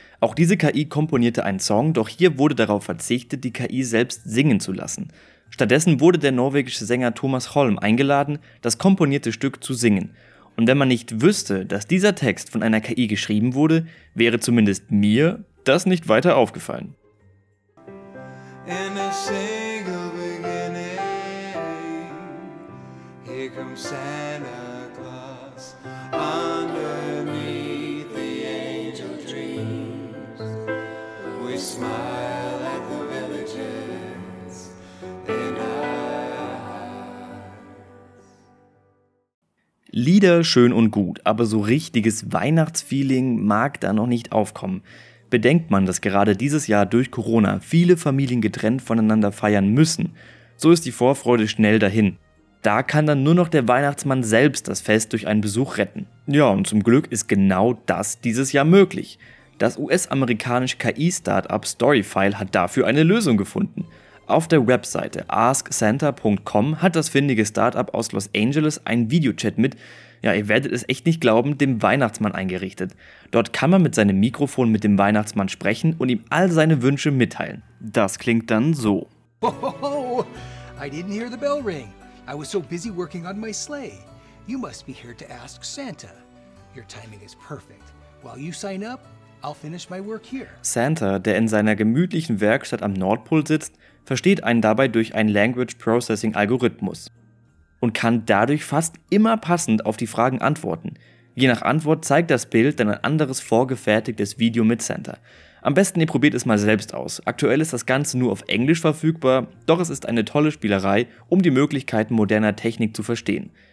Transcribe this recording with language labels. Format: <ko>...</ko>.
<de>Auch diese KI komponierte einen Song, doch hier wurde darauf verzichtet, die KI selbst singen zu lassen. Stattdessen wurde der norwegische Sänger Thomas Holm eingeladen, das komponierte Stück zu singen. Und wenn man nicht wüsste, dass dieser Text von einer KI geschrieben wurde, wäre zumindest mir das nicht weiter aufgefallen.</de> <en>In a single beginning, here comes Santa. Underneath the angel dreams, we smile at the villages in our hearts.</en> <de>Lieder schön und gut, aber so richtiges Weihnachtsfeeling mag da noch nicht aufkommen. Bedenkt man, dass gerade dieses Jahr durch Corona viele Familien getrennt voneinander feiern müssen, so ist die Vorfreude schnell dahin. Da kann dann nur noch der Weihnachtsmann selbst das Fest durch einen Besuch retten. Ja, und zum Glück ist genau das dieses Jahr möglich. Das US-amerikanische KI-Startup Storyfile hat dafür eine Lösung gefunden. Auf der Webseite asksanta.com hat das findige Startup aus Los Angeles einen Videochat mit, ja, ihr werdet es echt nicht glauben, dem Weihnachtsmann eingerichtet. Dort kann man mit seinem Mikrofon mit dem Weihnachtsmann sprechen und ihm all seine Wünsche mitteilen. Das klingt dann so.</de> <en>Ho, ho, ho. I didn't hear the bell ring. I was so busy working on my sleigh. You must be here to ask Santa. Your timing is perfect. While you sign up, I'll finish my work here.</en> <de>Santa, der in seiner gemütlichen Werkstatt am Nordpol sitzt, versteht einen dabei durch einen Language Processing Algorithmus und kann dadurch fast immer passend auf die Fragen antworten. Je nach Antwort zeigt das Bild dann ein anderes vorgefertigtes Video mit Santa. Am besten ihr probiert es mal selbst aus. Aktuell ist das Ganze nur auf Englisch verfügbar, doch es ist eine tolle Spielerei, um die Möglichkeiten moderner Technik zu verstehen.</de>